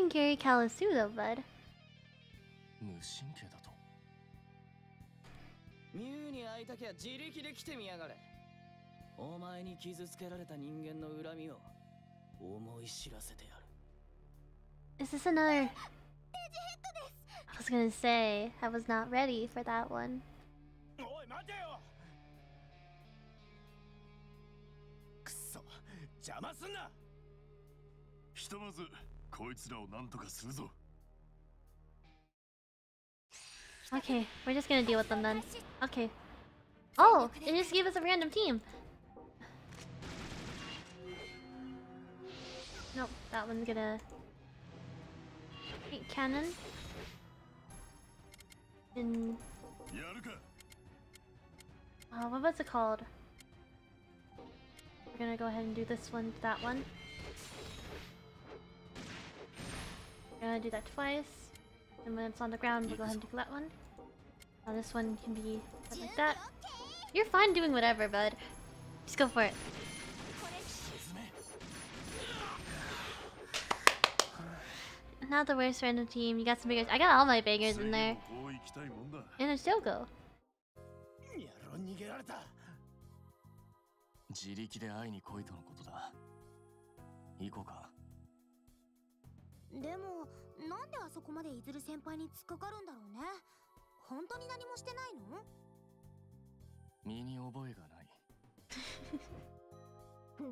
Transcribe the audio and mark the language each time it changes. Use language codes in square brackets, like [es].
[en] You're being Gary Callis too though, bud. [ja] 無神経だと。ミュウに会いたきゃ自力で来てみやがれ。お前に傷つけられた人間の恨みを思い知らせてやる。 [en] Is this another? [ja] デジヘッドです。 [en] I was gonna say, I was not ready for that one. [ja] おい待てよ。邪魔すんな。ひとまずこいつらを何とかするぞ。 [en] OK, we're just gonna deal with them then. OK. Oh, it just gave us a random team. Nope, that one's gonna hit cannon. [ja] やるか。 [en] What was it called? We're gonna go ahead and do this one, that one. We're gonna do that twice. And when it's on the ground, we'll go ahead and do that one. Now this one can be set like that. You're fine doing whatever, bud. Just go for it. Not the worst random team. You got some bangers. I got all my bangers in there. And a Shogo. [ja] 逃げられた。自力で会いに来いとのことだ。行こうか。でもなんであそこまでイズル先輩に突っかかるんだろうね。本当に何もしてないの？身に覚えがない。